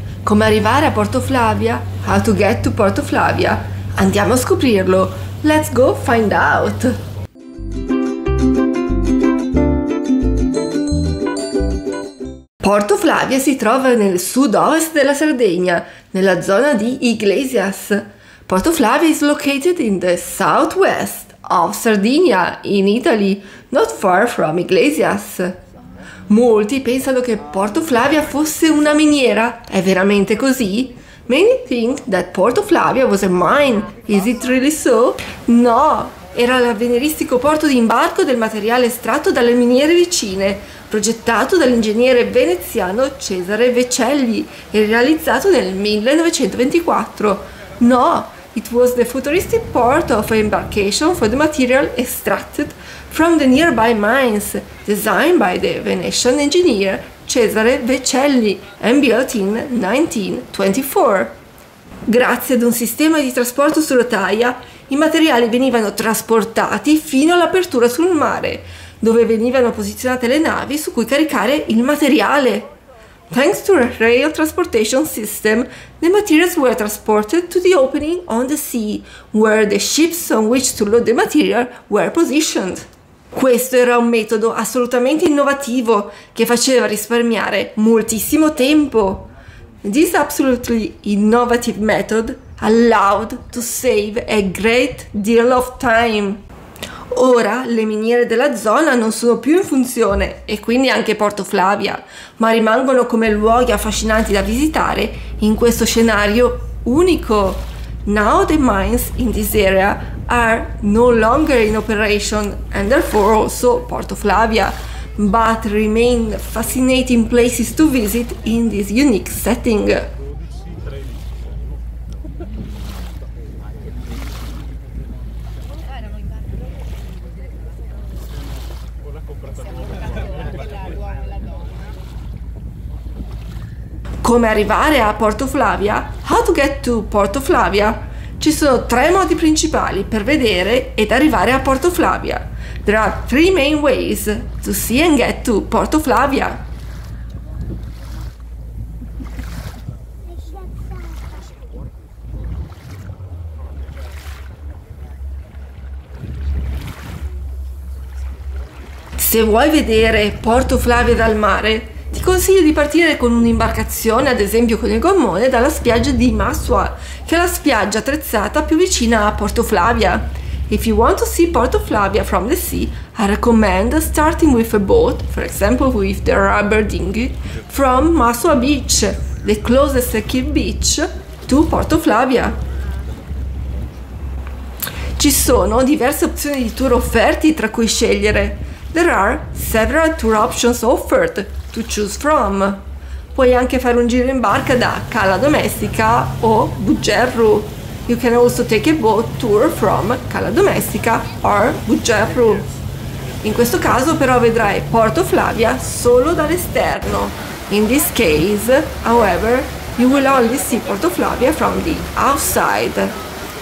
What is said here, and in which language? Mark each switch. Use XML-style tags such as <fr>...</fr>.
<it>Come arrivare a Porto Flavia?</it> <en>How to get to Porto Flavia?</en> <it>Andiamo a scoprirlo.</it> <en>Let's go find out.</en> <it>Porto Flavia si trova nel sud-ovest della Sardegna, nella zona di Iglesias.</it> <en>Porto Flavia is located in the southwest of Sardinia, in Italy, not far from Iglesias.</en> <it>Molti pensano che Porto Flavia fosse una miniera. È veramente così?</it> <en>Many think that Porto Flavia was a mine. Is it really so? No!</en> <it>Era l'avveniristico porto di imbarco del materiale estratto dalle miniere vicine, progettato dall'ingegnere veneziano Cesare Vecelli e realizzato nel 1924.</it> <en>No, it was the futuristic port of embarkation for the material extracted from the nearby mines, designed by the Venetian engineer Cesare Vecelli and built in 1924.</en> <it>Grazie ad un sistema di trasporto su rotaia, i materiali venivano trasportati fino all'apertura sul mare, dove venivano posizionate le navi su cui caricare il materiale.</it> <en>Thanks to a rail transportation system, the materials were transported to the opening on the sea, where the ships on which to load the material were positioned.</en> <it>Questo era un metodo assolutamente innovativo che faceva risparmiare moltissimo tempo.</it> <en>This absolutely innovative method allowed to save a great deal of time.</en> <it>Ora le miniere della zona non sono più in funzione e quindi anche Porto Flavia, ma rimangono come luoghi affascinanti da visitare in questo scenario unico.</it> <en>Now the mines in this area are no longer in operation and therefore also Porto Flavia, but remain fascinating places to visit in this unique setting.</en> <it>Come arrivare a Porto Flavia?</it> <en>How to get to Porto Flavia?</en> <it>Ci sono tre modi principali per vedere ed arrivare a Porto Flavia.</it> <en>There are three main ways to see and get to Porto Flavia.</en> <it>Se vuoi vedere Porto Flavia dal mare, ti consiglio di partire con un'imbarcazione, ad esempio con il gommone, dalla spiaggia di Masua, che è la spiaggia attrezzata più vicina a Porto Flavia.</it> <en>If you want to see Porto Flavia from the sea, I recommend starting with a boat, for example with the rubber dinghy, from Masua Beach, the closest kid beach, to Porto Flavia.</en> <it>Ci sono diverse opzioni di tour offerti tra cui scegliere.</it> <en>There are several tour options offered to choose from.</en> <it>Puoi anche fare un giro in barca da Cala Domestica o Bugerru.</it> <en>You can also take a boat tour from Cala Domestica or Bugerru.</en> <it>In questo caso però vedrai Porto Flavia solo dall'esterno.</it> <en>In this case, however, you will only see Porto Flavia from the outside.</en>